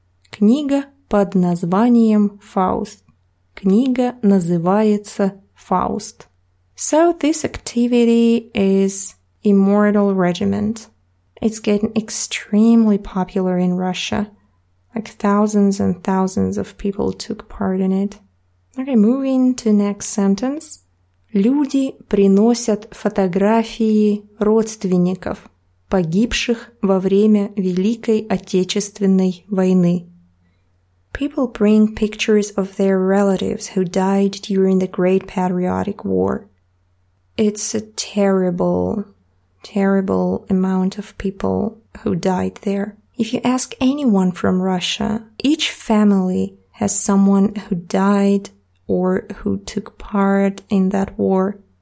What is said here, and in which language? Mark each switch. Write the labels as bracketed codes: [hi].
[ru] Книга под названием Faust. Книга называется Faust. [en] So this activity is Immortal Regiment. It's getting extremely popular in Russia. Like thousands and thousands of people took part in it. Okay, moving to next sentence. [ru] Люди приносят фотографии родственников, погибших во время Великой Отечественной войны. [en] People bring pictures of their relatives who died during the Great Patriotic War. It's a terrible amount of people who died there. If you ask anyone from Russia, each family has someone who died or who took part in that war.